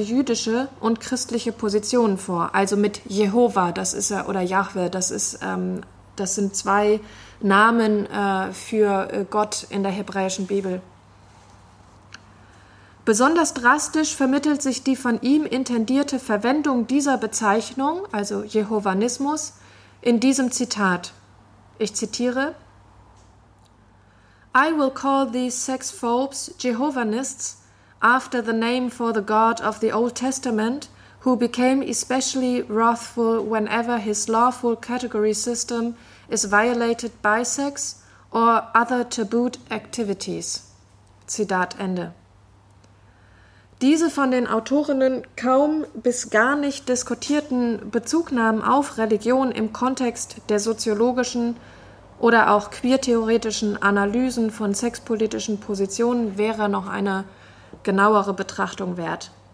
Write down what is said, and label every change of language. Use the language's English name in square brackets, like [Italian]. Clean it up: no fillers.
[German] jüdische und christliche Positionen vor. Also mit Jehova, das ist er, oder Jahwe, das sind zwei Namen für Gott in der hebräischen Bibel. Besonders drastisch vermittelt sich die von ihm intendierte Verwendung dieser Bezeichnung, also Jehovanismus, in diesem Zitat. Ich zitiere: [English] I will call these sex phobes Jehovanists after the name for the God of the Old Testament, who became especially wrathful whenever his lawful category system is violated by sex or other tabooed activities. [German] Zitat Ende. Diese von den Autorinnen kaum bis gar nicht diskutierten Bezugnahmen auf Religion im Kontext der soziologischen oder auch queertheoretischen Analysen von sexpolitischen Positionen wäre noch eine genauere Betrachtung wert.